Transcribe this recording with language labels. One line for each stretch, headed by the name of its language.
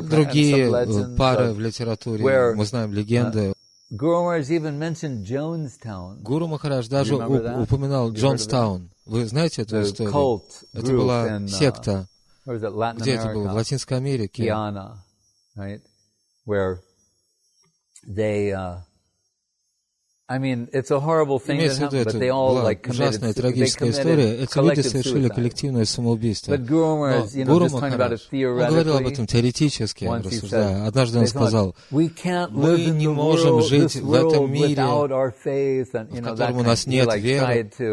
Russian: другие пары в литературе. Мы знаем легенды. Гуру Махарадж даже упоминал Джонстаун. Вы знаете эту историю? Это была секта. Где это было? В Латинской Америке. Гиана. Где
English: I mean, it's a horrible thing that happened, but they all like
Russian: ужасная трагическая история. Эти люди совершили коллективное самоубийство.
English: But Guru Maharaj, you know, just talking about it theoretically.
Russian: Он говорил об этом теоретически, рассуждая. Однажды он сказал: «Мы не можем жить в этом мире, в котором у нас нет веры».